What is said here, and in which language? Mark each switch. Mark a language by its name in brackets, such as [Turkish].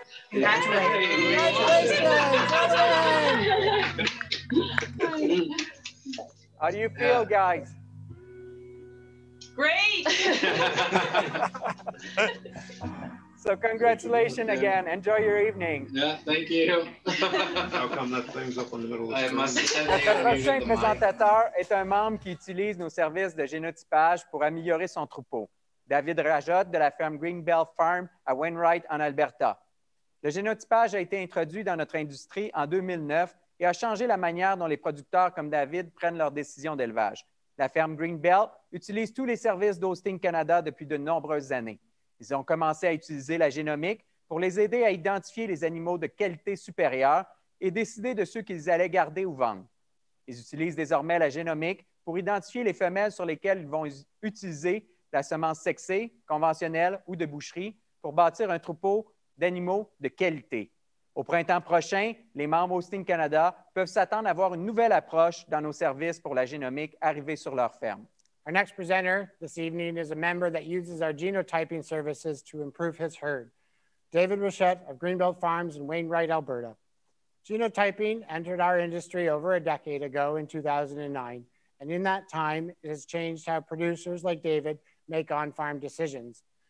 [English] Congratulations. How do you feel, guys? Great. So congratulations again. Enjoy your evening. Yeah, thank you. How come that thing's up in the middle of the street? [French] Le prochain présentateur est un membre qui utilise nos services de génotypage pour améliorer son troupeau. David Rajot de la ferme Greenbelt Farm à Wainwright en Alberta. Le génotypage a été introduit dans notre industrie en 2009 et a changé la manière dont les producteurs comme David prennent leurs décisions d'élevage. La ferme Greenbelt utilise tous les services d'Austin Canada depuis de nombreuses années. Ils ont commencé à utiliser la génomique pour les aider à identifier les animaux de qualité supérieure et décider de ceux qu'ils allaient garder ou vendre. Ils utilisent désormais la génomique pour identifier les femelles sur lesquelles ils vont utiliser la semence sexée, conventionnelle ou de boucherie pour bâtir un troupeau d'animaux de qualité. Au printemps prochain, les membres Austin Canada peuvent s'attendre à voir une nouvelle approche dans nos services pour la génomique arriver sur leur ferme. [English] Our next presenter this evening is a member that uses our genotyping services to improve his herd. David Rochette of Greenbelt Farms in Wainwright, Alberta. Genotyping entered our industry over a decade ago in 2009, and in that time, it has changed how producers like David make on-farm decisions.